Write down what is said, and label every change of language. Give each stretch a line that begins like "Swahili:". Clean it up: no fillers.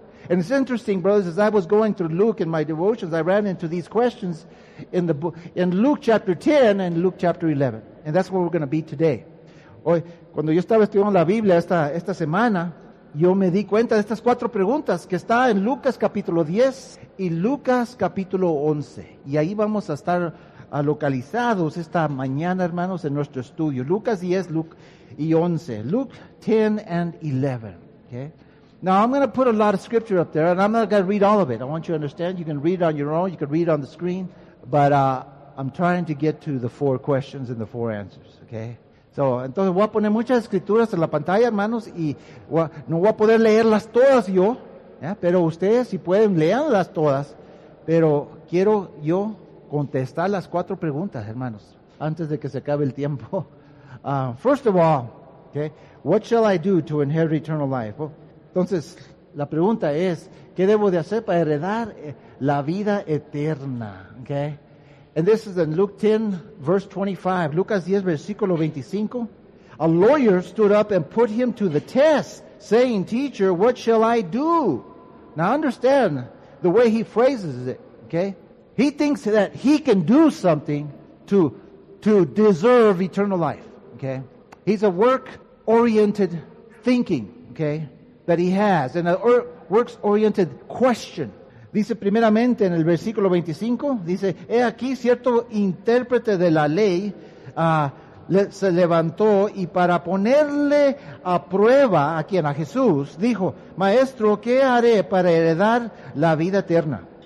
English: And it's interesting, brothers, as I was going through Luke in my devotions, I ran into these questions in the book, in Luke chapter 10 and Luke chapter 11. And that's where we're going to be today.
Spanish: Hoy, cuando yo estaba estudiando la Biblia esta semana, yo me di cuenta de estas cuatro preguntas que está en Lucas capítulo 10 y Lucas capítulo 11. Y ahí vamos a estar localizados esta mañana, hermanos, en nuestro estudio.
English: Lucas 10, Luke y 11. Luke 10 and 11. Okay. Now, I'm going to put a lot of scripture up there, and I'm not going to read all of it. I want you to understand. You can read it on your own. You can read it on the screen. But I'm trying to get to the four questions and the four answers, okay?
Spanish: So, entonces, voy a poner muchas escrituras en la pantalla, hermanos, y no voy a poder leerlas todas yo, ¿eh? Pero ustedes si pueden, leerlas todas. Pero quiero yo contestar las cuatro preguntas, hermanos, antes de que se acabe el tiempo.
English: First of all, okay, what shall I do to inherit eternal life?
Spanish: Well, entonces, la pregunta es, ¿qué debo de hacer para heredar la vida eterna?
English: Okay. And this is in Luke 10, verse 25.
Spanish: Lucas 10, versículo 25.
English: A lawyer stood up and put him to the test, saying, teacher, what shall I do? Now understand the way he phrases it. Okay. He thinks that he can do something to deserve eternal life. Okay. He's a work-oriented thinking. Okay. That he has, and a works-oriented question.
Spanish: Dice primeramente en el versículo 25, dice, he aquí cierto intérprete de la ley se levantó y para ponerle a prueba, ¿a quién? A Jesús, dijo, maestro, ¿qué haré para heredar la vida eterna?